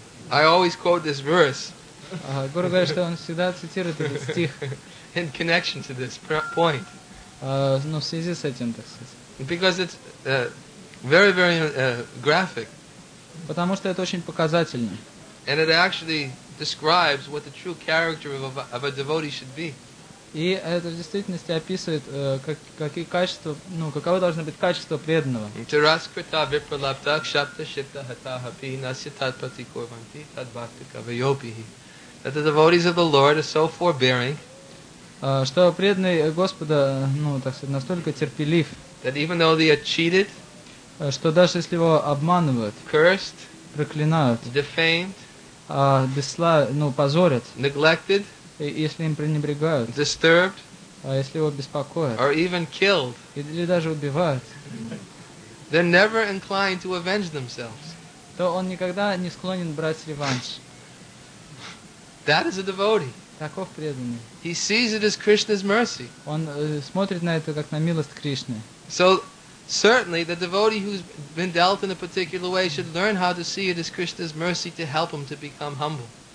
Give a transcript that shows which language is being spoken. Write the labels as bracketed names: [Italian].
[English] I always quote this verse. [Russian] Гуру говорит, что он всегда цитирует этот стих. [English] In connection to this point. [Russian] Ну, в связи с этим, так сказать. [English] Because it's very, very graphic. [Russian] Потому что это очень показательно. [English] And it actually describes what the true character of a devotee should be. [Russian] И это в действительности описывает, какие качества, каково должно быть качество преданного. [Sanskrit] Тираскрита випралапта кшапта шипта хатахапи наси татпати курванти татбхакти кавайопихи. [English] That the devotees of the Lord are so forbearing. [Russian] Что преданный Господа, так сказать, настолько терпелив. [English] That even though they are cheated. [Russian] Что даже если его обманывают. [English] Cursed. [Russian] Проклинают. [English] Defamed. [Russian] Позорят. [English] Neglected. [Russian] Если им пренебрегают, [English] disturbed, [Russian] а если его беспокоят, [English] or even killed, [Russian] или даже убивают, [English] they're never inclined to avenge themselves. [Russian] То он никогда не склонен брать реванш. [English] That is a devotee. [Russian] Таков преданный. [English] He sees it as Krishna's mercy. [Russian] Он смотрит на это как на милость Кришны. [English] So, certainly, the devotee who's been dealt in a particular way should learn how to see it as Krishna's mercy to help him to become humble.